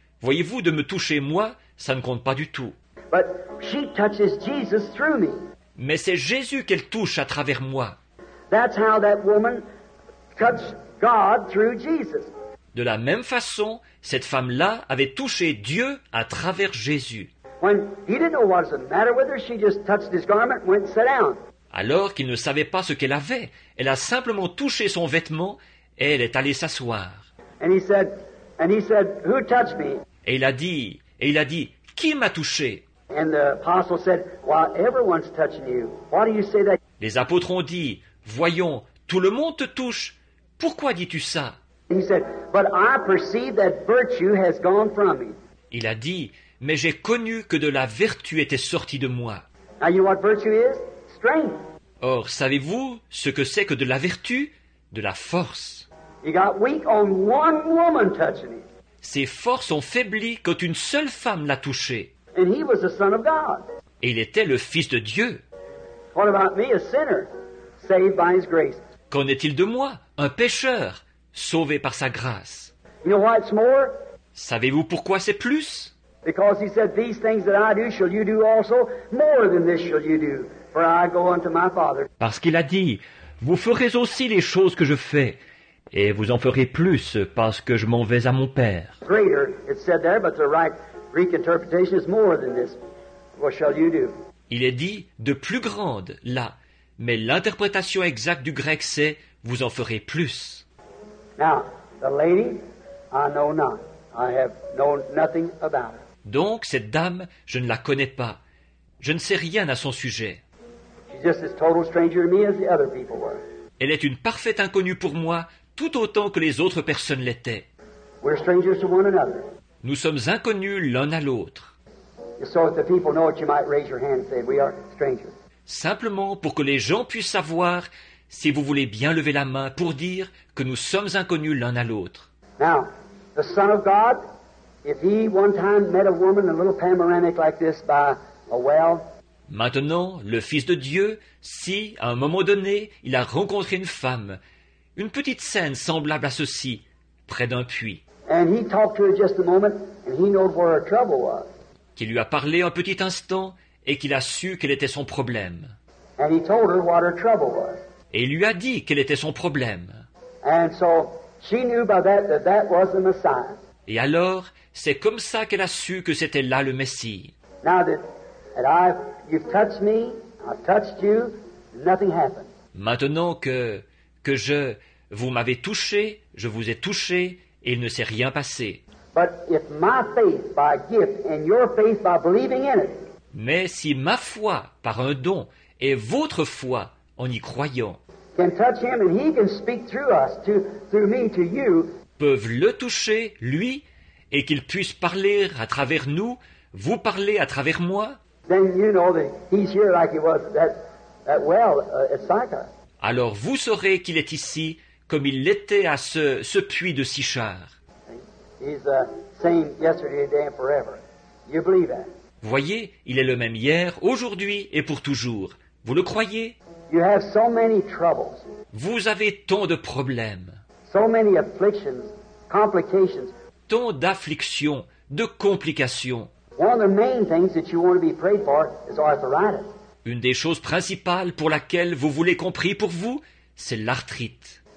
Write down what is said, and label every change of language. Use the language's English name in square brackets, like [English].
[French] Voyez-vous, de me toucher moi, ça ne compte pas du tout. [English] But she touches Jesus through me. [French] Mais c'est Jésus qu'elle touche à travers moi. [English] That's how that woman touched God through Jesus. [French] De la même façon, cette femme-là avait touché Dieu à travers Jésus. [English] When he didn't know what was the matter with her, she just touched his garment and went and sat down. [French] Alors qu'il ne savait pas ce qu'elle avait, elle a simplement touché son vêtement et elle est allée s'asseoir. [English] And he said, who touched me? [French] Et il a dit, qui m'a touché? [English] And the apostle said, well, everyone's touching you. Why do you say that? [French] Les apôtres ont dit, voyons, tout le monde te touche. Pourquoi dis-tu ça? [English] He said, "But I perceive that virtue has gone from me." [French] Il a dit, mais j'ai connu que de la vertu était sortie de moi. [English] Now you know what virtue is? Strength. [French] Or, savez-vous ce que c'est que de la vertu? De la force. [English] He got weak on one woman touching him. [French] Ses forces ont faibli quand une seule femme l'a touché. [English] And he was the son of God. [French] Et il était le Fils de Dieu. [English] What about me, a sinner, saved by his grace? [French] Qu'en est-il de moi, un pécheur, sauvé par sa grâce? [English] You know why it's more? [French] Savez-vous pourquoi c'est plus? [English] Because he said, "These things that I do, shall you do also? More than this shall you do, for I go unto my Father." [French] Parce qu'il a dit, vous ferez aussi les choses que je fais, et vous en ferez plus parce que je m'en vais à mon Père. [English] Greater, it said there, but the right Greek interpretation is more than this. What shall you do? [French] Il est dit de plus grande là, mais l'interprétation exacte du grec c'est vous en ferez plus. [English] Now, the lady, I know not. I have known nothing about her. [French] Donc cette dame, je ne la connais pas. Je ne sais rien à son sujet. [English] She's just as total stranger to me as the other people were. [French] Elle est une parfaite inconnue pour moi, tout autant que les autres personnes l'étaient. [English] We're strangers to one another. [French] Nous sommes inconnus l'un à l'autre. [English] So if the people know it, you might raise your hand and say we are strangers. [French] Simplement pour que les gens puissent savoir, si vous voulez bien lever la main pour dire que nous sommes inconnus l'un à l'autre. [English] Now, the Son of God, if he one time met a woman a little panoramic like this by a well. [French] Maintenant, le Fils de Dieu, si à un moment donné il a rencontré une femme, une petite scène semblable à ceci, près d'un puits. [English] And he talked to her just a moment, and he knew where her trouble was. [French] Qui lui a parlé un petit instant et qu'il a su quel était son problème. [English] And he told her what her trouble was. [French] Et il lui a dit quel était son problème. [English] And so she knew by that that that was the Messiah. [French] Et alors, c'est comme ça qu'elle a su que c'était là le Messie. [English] Now that, and I've, you've touched me, I've touched you, nothing happened. [French] Maintenant que je, vous m'avez touché, je vous ai touché, et il ne s'est rien passé. [English] But if my faith by gift and your faith by believing in it. [French] Mais si ma foi par un don et votre foi en y croyant. [English] Can touch him and he can speak through us to through me to you. [French] Peuvent le toucher lui et qu'il puisse parler à travers nous, vous parler à travers moi. [English] Then you know that he's here like he was that well at Sychar. [French] Alors vous saurez qu'il est ici comme il l'était à ce puits de Sychar. [English] He's the same yesterday, today, and forever. You believe that? [French] Voyez, il est le même hier, aujourd'hui et pour toujours. Vous le croyez? [English] You have so many troubles. [French] Vous avez tant de problèmes. [English] So many afflictions, complications. [French] Tant d'afflictions, de complications. [English] One of the main things that you want to be prayed for is arthritis. [French] Une des choses principales pour laquelle vous voulez qu'on prie pour vous, c'est l'arthrite.